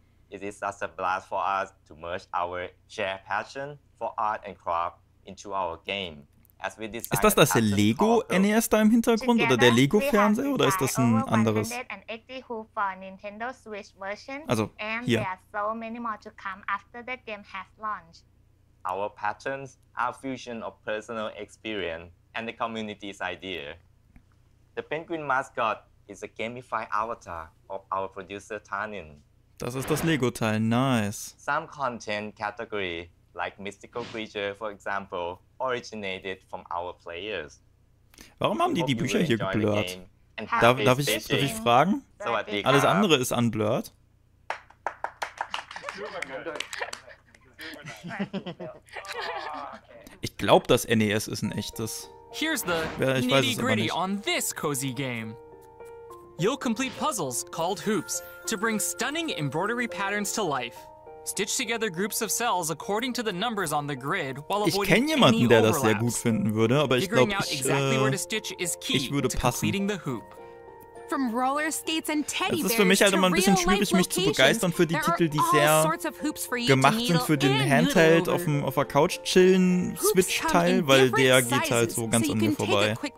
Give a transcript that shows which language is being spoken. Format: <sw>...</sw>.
<en>It is such a blast for us to merge our shared passion for art and craft into our game. As we design,</en> <de>ist das das Lego NES da im Hintergrund oder der Lego Fernseher oder ist das ein anderes? Also hier.</de> <en>So many more to come after the game has launched. Our patterns are a fusion of personal experience and the community's idea. The penguin mascot is a gamified avatar of our producer Tanin.</en> <de>Das ist das Lego-Teil, nice.</de> <en>Some content category, like mystical creature, for example, originated from our players.</en> <de>Warum haben die Bücher hier geblurrt? Darf ich fragen? So, alles andere ist unblurred. Ich glaube, das NES ist ein echtes.</de> <en>Here's the nitty-gritty on this cozy game. You'll complete puzzles called hoops to bring stunning embroidery patterns to life. Stitch together groups of cells according to the numbers on the grid while avoiding any overlaps.</en> <de>Ich kenne jemanden, der das sehr gut finden würde, aber ich glaube, ich würde passen.</de> <en>From roller skates and teddy bears.</en> <de>Das ist für mich halt immer ein bisschen schwierig, mich zu begeistern für die Titel, die sehr gemacht sind für den Handheld auf der Couch chillen Switch Teil, weil der geht halt so ganz an mir vorbei.</de>